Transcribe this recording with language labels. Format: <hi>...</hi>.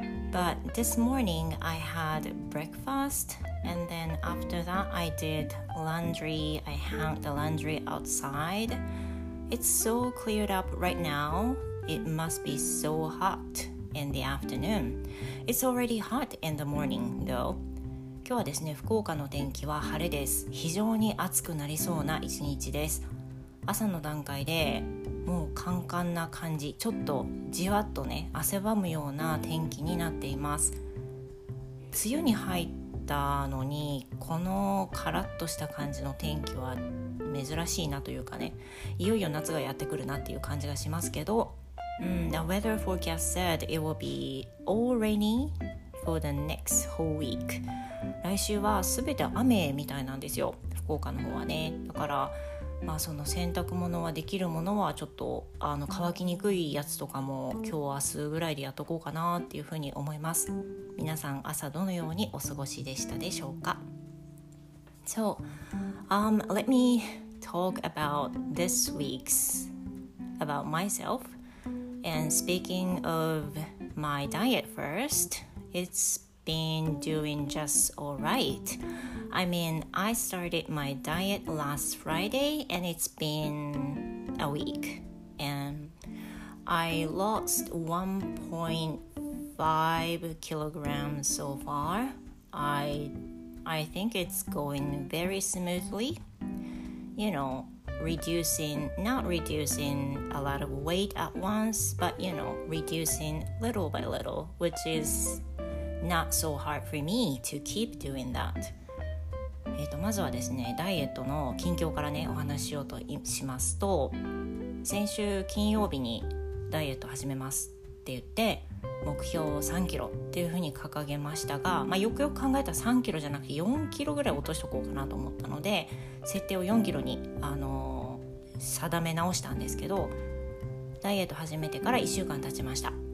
<en>But this morning I had breakfast, and then after that I did laundry. I hung the laundry outside. It's so cleared up right now. It must be so hot in the afternoon. It's already hot in the morning though.</en> <ja>今日はですね、福岡の天気は晴れです。非常に暑くなりそうな一日です。朝の段階でもうカンカンな感じ、ちょっとじわっとね、汗ばむような天気になっています。梅雨に入ったのに、このカラッとした感じの天気は珍しいなというかね、いよいよ夏がやってくるなっていう感じがしますけど、</ja> <en>The weather forecast said it will be all rainy for the next whole week.</en> <ja>来週は全て雨みたいなんですよ、福岡の方はね。だから、まあ、その洗濯物はできるものはちょっと乾きにくいやつとかも今日明日ぐらいでやっとこうかなっていうふうに思います。皆さん朝どのようにお過ごしでしたでしょうか。</ja> <en>So, let me talk about this week's about myself. And speaking of my diet first, it'sBeen doing just all right. I mean, I started my diet last Friday and it's been a week. And I lost 1.5 kilograms so far. I think it's going very smoothly. You know, not reducing a lot of weight at once, but you know, reducing little by little, which is... Not so hard for me to keep doing that.</en> <ja>まずはですね、ダイエットの近況からね、お話しようとしますと、先週金曜日にダイエット始めますって言って、目標を3キロっていうふうに掲げましたが、まあ、よくよく考えたら3キロじゃなくて4キロぐらい落としとこうかなと思ったので、設定を4キロに、定め直したんですけど、ダイエット始めてから1週間経ちました。</ja>